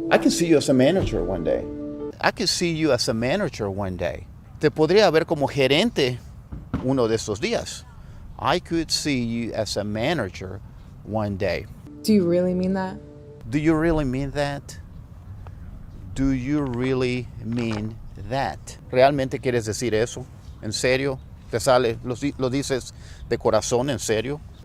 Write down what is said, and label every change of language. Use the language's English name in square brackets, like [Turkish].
[English] I can see you as a manager one day. I can see you as a manager one day. [Spanish] Te podría ver como gerente uno de estos días. [English] I could see you as a manager one day. Do you really mean that? Do you really mean that? Do you really mean that? [Spanish] ¿Realmente quieres decir eso? ¿En serio? ¿Te sale? ¿Lo dices de corazón? ¿En serio?